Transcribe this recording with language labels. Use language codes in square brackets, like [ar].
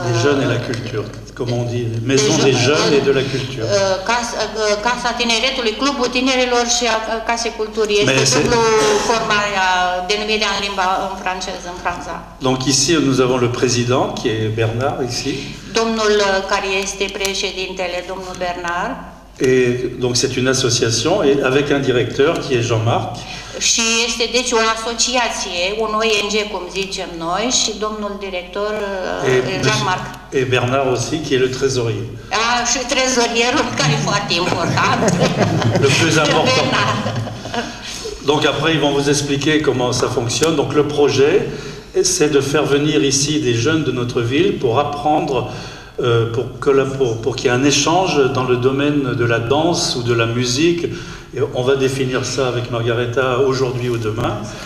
[fr] Les jeunes et la culture. comment on dit, maison des jeunes et de la culture. [ro] Casa tineretului, clubul tinerilor și case culturii. Mais este dublu formarea denumirea în limba în franceză, în Franța. [fr] Donc ici nous avons le président qui est Bernard ici. [ro] Domnul care este președintele, domnul Bernard. [fr] Et donc c'est une association et avec un directeur qui est Jean-Marc. [ro] Și este deci o asociație, un ONG, cum zicem noi, și domnul director Jean-Marc. [fr] Et Bernard aussi, qui est le trésorier. [ro] Ah, și trezorierul, care e foarte important. [fr] Le plus important. Donc après, ils vont vous expliquer comment ça fonctionne. Donc le projet, c'est de faire venir ici des jeunes de notre ville pour apprendre, pour qu'il y ait un échange dans le domaine de la danse ou de la musique. Et on va définir ça avec Margareta aujourd'hui ou demain.